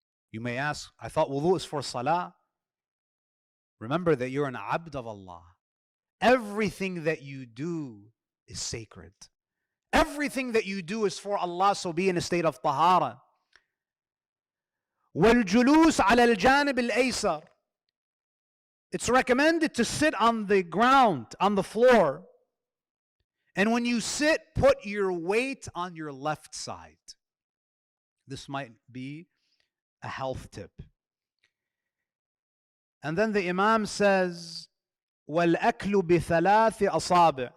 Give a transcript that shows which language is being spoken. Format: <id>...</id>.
<en>You may ask, I thought wudu is for salah. Remember that you're an abd of Allah. Everything that you do is sacred. Everything that you do is for Allah, so be in a state of tahara.</en> <ar>والجلوس على الجانب الأيسر.</ar> <en>It's recommended to sit on the ground, on the floor. And when you sit, put your weight on your left side. This might be a health tip. And then the Imam says,</en> <ar>والأكل بثلاث أصابع.</ar>